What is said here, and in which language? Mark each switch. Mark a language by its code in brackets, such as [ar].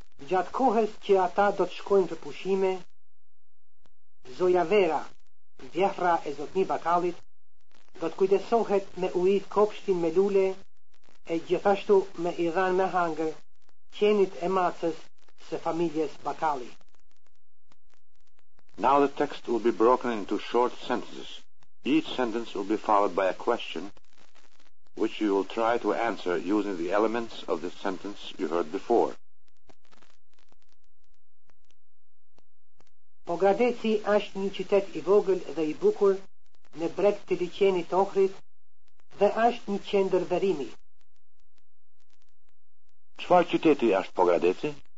[sq] Gjatë kohës që ata do të shkojnë për pushime, Zoja Vera, vjehra e Zotni Bakalit, do të kujdesohet me ujit kopshtin me lule e gjithashtu me i dhanë me hangër qenit e macës se familjes Bakali. [en] Now the text will be broken into short sentences. Each sentence will be followed by a question which you will try to answer using the elements of the sentence you heard before. [sq] Pogradeci është një qytet i vogël dhe i bukur në breg të liqenit Ohrit dhe është një qendër verimi. Çfarë qyteti është Pogradeci?